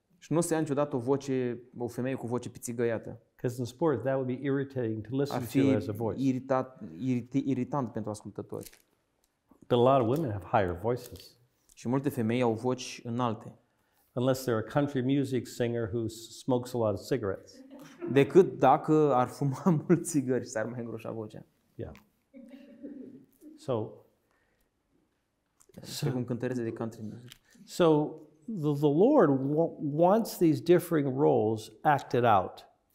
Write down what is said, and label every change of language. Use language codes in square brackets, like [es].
[ro] Și nu se ia niciodată o femeie cu voce pițigăiată. [en] Because in sport that would be irritating to listen to as a voice. [ro] Irritant pentru ascultători. [en] But a lot of women have higher voices. [ro] Și multe femei au voci înalte. [en] Unless they're a country music singer who smokes a lot of cigarettes. [ro] Decât dacă ar fuma mult țigări și s-ar mai îngroșa vocea. [en] Yeah. So. [ro] Trebuie un cântărețe de country music. [en] So the Lord wants these differing roles acted out.